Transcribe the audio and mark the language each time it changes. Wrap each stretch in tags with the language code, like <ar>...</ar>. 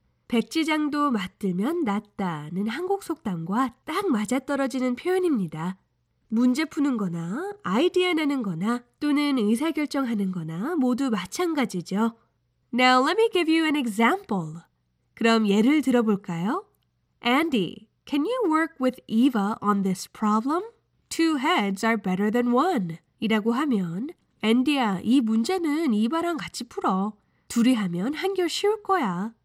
<ko>백지장도 맞들면 낫다는 한국 속담과 딱 맞아떨어지는 표현입니다. 문제 푸는 거나 아이디어 내는 거나 또는 의사결정하는 거나 모두 마찬가지죠.</ko> <en>Now let me give you an example.</en> <ko>그럼 예를 들어볼까요?</ko> <en>Andy, can you work with Eva on this problem? Two heads are better than one.</en> <ko>이라고 하면 Andy야, 이 문제는 이바랑 같이 풀어. 둘이 하면 한결 쉬울 거야.</ko>